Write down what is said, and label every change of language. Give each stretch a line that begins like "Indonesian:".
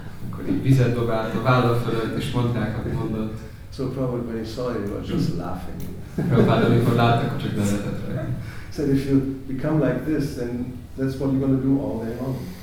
Hungarian: Akkor így vizet dobált a válla fölött, és mondták, amit mondott.
English: So probably when he saw you, he was just laughing.
Hungarian: Prabhupada, amikor láttak, csak nevetett rá.
English: So if you become like this, then that's what you're going to do all day long.